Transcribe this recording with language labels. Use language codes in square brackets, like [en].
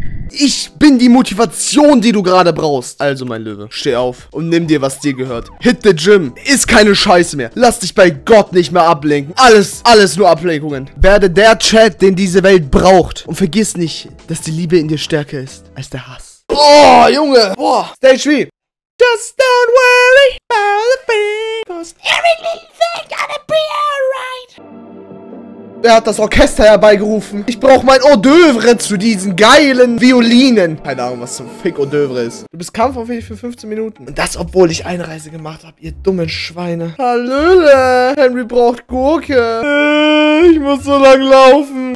[de] Ich bin die Motivation, die du gerade brauchst. Also, mein Löwe, steh auf und nimm dir, was dir gehört. [en] Hit the gym. [de] Ist keine Scheiße mehr. Lass dich bei Gott nicht mehr ablenken. Alles nur Ablenkungen. Werde der Chat, den diese Welt braucht. Und vergiss nicht, dass die Liebe in dir stärker ist als der Hass. Boah, Junge. Boah, Stage 3. [en] Just don't worry about the thing, 'cause every little thing gonna be alright. [de] Wer hat das Orchester herbeigerufen? Ich brauche mein Hors d'oeuvre zu diesen geilen Violinen. Keine Ahnung, was zum Fick Hors d'oeuvre ist. Du bist kampfunfähig für 15 Minuten. Und das, obwohl ich Einreise gemacht habe, ihr dummen Schweine. Hallöle, Henry braucht Gurke. Ich muss so lang laufen.